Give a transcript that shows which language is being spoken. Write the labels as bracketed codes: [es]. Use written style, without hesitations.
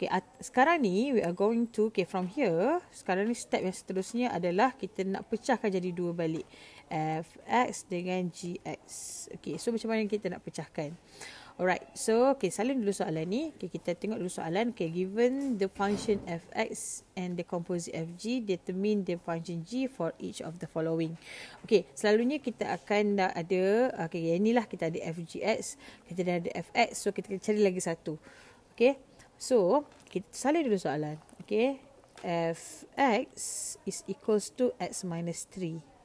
[en] Okay, [ms] sekarang ni [en] we are going to, okay, from here. [ms] Sekarang ni step yang seterusnya adalah kita nak pecahkan jadi dua balik. Fx dengan gx. Okay, so macam mana kita nak pecahkan? Alright, so okay, salin dulu soalan ni. Okay, kita tengok dulu soalan. [en] Okay, given the function fx and the composite fg, determine the function g for each of the following. [ms] Okay, selalunya kita akan dah ada, okay, yang inilah kita ada fgx, kita dah ada fx, so kita cari lagi satu. Okay, so kita salin dulu soalan. [en] Okay, fx is equals to x minus 3.